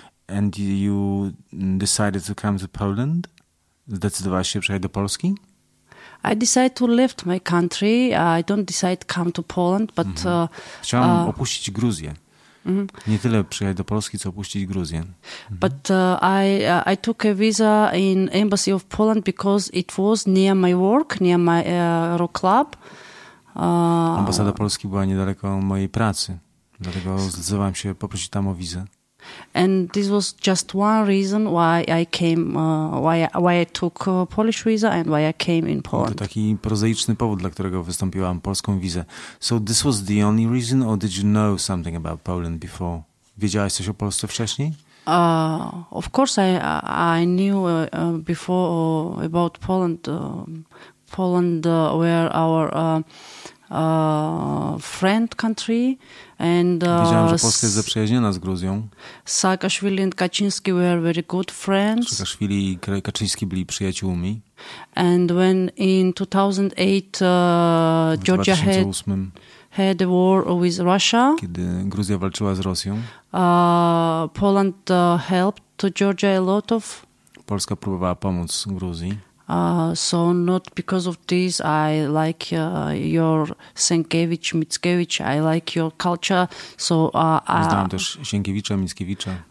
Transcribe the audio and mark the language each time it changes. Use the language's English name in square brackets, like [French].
[English] And you decided to come to Poland? [Polish] Zdecydowałaś się przyjechać do Polski? [English] I decided to leave my country. I don't decide come to Poland, but [Polish] chciałam opuścić Gruzję. Nie tyle przyjechać do Polski, co opuścić Gruzję. [English] But I took a visa in embassy of Poland because it was near my work, near my rock club. [Polish] Ambasada Polski była niedaleko mojej pracy, dlatego zdecydowałam się poprosić tam o wizę. [English] And this was just one reason why I came, why I took Polish visa and why I came in Poland. [Polish] To taki prozaiczny powód, dla którego wystąpiłam polską wizę. [English] So this was the only reason, or did you know something about Poland before? [Polish] Wiedziałaś coś o Polsce wcześniej? [English] Of course, I knew before about Poland. Poland where our friend country. And [Polish] wiedziałam, że Polska jest zaprzyjaźniona z Gruzją. [English] Saakashvili and Kaczyński were very good friends. [Polish] Saakashvili i Kaczyński byli przyjaciółmi. [English] And when in 2008 Georgia had a war with Russia. [Polish] Kiedy Gruzja walczyła z Rosją. [English] Poland helped to Georgia a lot of. [Polish] Polska próbowała pomóc Gruzji. [English] So not because of this I like your Sienkiewicz, Mickiewicz, I like your culture. So [Polish] znam też Sienkiewicza, Mickiewicza,